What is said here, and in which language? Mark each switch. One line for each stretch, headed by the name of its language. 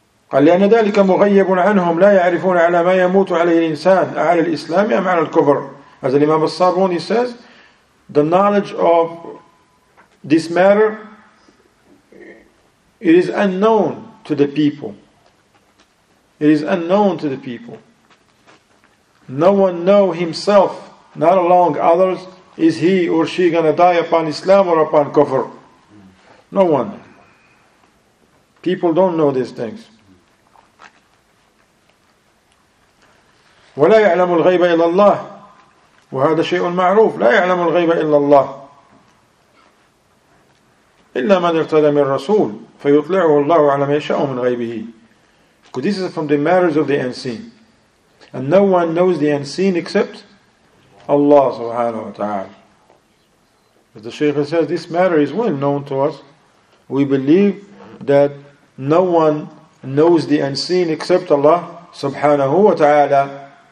Arabic: قال لأن ذلك مغيب عنهم لا يعرفون على ما يموت عليه الإنسان على الإسلام أم على الكفر.
English: As Imam al-Sabuni says, the knowledge of this matter, it is unknown to the people. It is unknown to the people. No one know himself, not along others, is he or she going to die upon Islam or upon kufr? No one. People don't know these things.
Arabic: ولا يعلم الغيب إلا الله وهذا شيء معروف لا يعلم الغيب إلا الله إلا من ارتدى من الرسول فيطلعه الله على ما يشاء من غيبه.
English: Because this is from the matters of the unseen, and no one knows the unseen except Allah subhanahu wa ta'ala. As the Shaykh says, this matter is well known to us. We believe that no one knows the unseen except Allah subhanahu wa ta'ala.